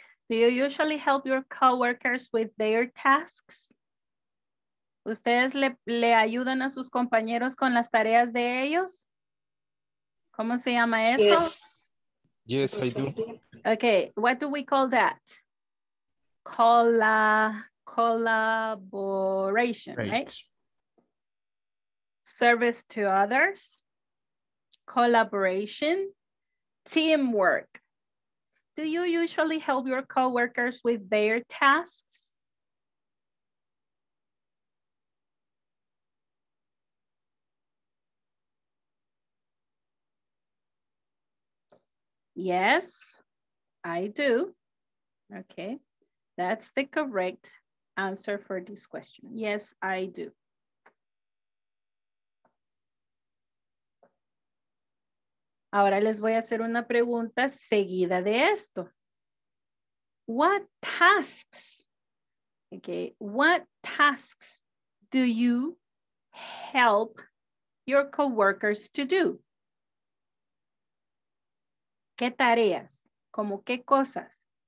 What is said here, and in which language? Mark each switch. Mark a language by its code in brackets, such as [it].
[en] Do you usually help your coworkers with their tasks? [es] ¿Ustedes le ayudan a sus compañeros con las tareas de ellos? ¿Cómo se llama eso? [en] Yes. Yes, I do. Okay, what do we call that? Collaboration, right? Service to others, collaboration, teamwork. Do you usually help your coworkers with their tasks? Yes, I do. Okay, that's the correct answer for this question. Yes, I do. [es] Ahora les voy a hacer una pregunta seguida de esto. [en] What tasks? Okay, what tasks do you help your coworkers to do? [es] ¿Qué tareas? ¿Cómo qué cosas?